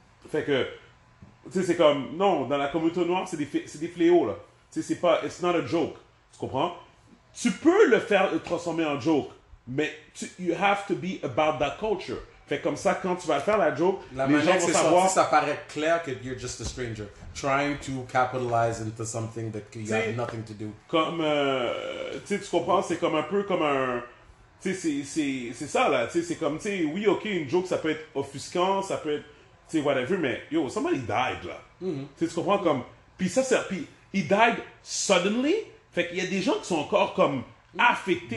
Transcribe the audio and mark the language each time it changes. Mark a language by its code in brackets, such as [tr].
[fr] Fait que, tu sais, c'est comme, non, dans la communauté noire, c'est des fléaux, là. Tu sais, c'est pas, [en] it's not a joke. [fr] Tu comprends? Tu peux le faire le transformer en joke, mais [en] you have to be about that culture. [fr] Fait comme ça, quand tu vas faire la joke, la les gens vont savoir. Sorti, ça paraît clair que [en] you're just a stranger trying to capitalize into something that you have nothing to do. [fr] Comme, tu sais, tu comprends, c'est comme un peu comme un, tu sais, c'est ça là, tu sais, c'est comme, tu sais, oui, ok, une joke, ça peut être offusquant, ça peut être, tu sais, whatever, mais [en] yo, somebody died [fr] là. Mm-hmm. Tu sais, tu comprends, comme, puis ça, c'est, puis [en] he died suddenly. [fr] Fait qu'il y a des gens qui sont encore comme affectés